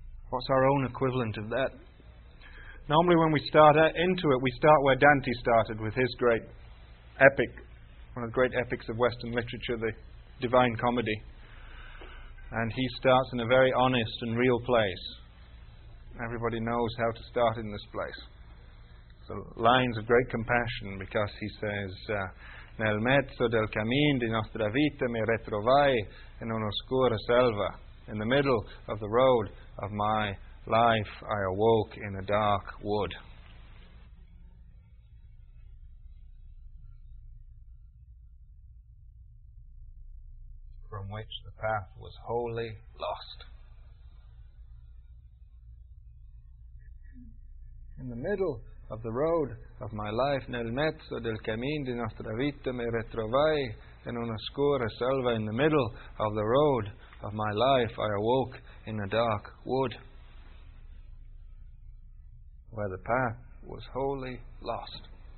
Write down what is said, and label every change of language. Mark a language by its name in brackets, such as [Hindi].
[English] What's our own equivalent of that? Normally when we start into it, we start where Dante started with his great epic, one of the great epics of Western literature, the Divine Comedy. And he starts in a very honest and real place. Everybody knows how to start in this place. So lines of great compassion, because he says, [Italian] nel mezzo del cammin di nostra vita mi ritrovai in un'oscura selva. [English] In the middle of the road of my life, I awoke in a dark wood. Which the path was wholly lost. In the middle of the road of my life, [Italian] nel mezzo del cammin di nostra vita mi ritrovai in una scura selva. [English] In the middle of the road of my life, I awoke in a dark wood where the path was wholly lost.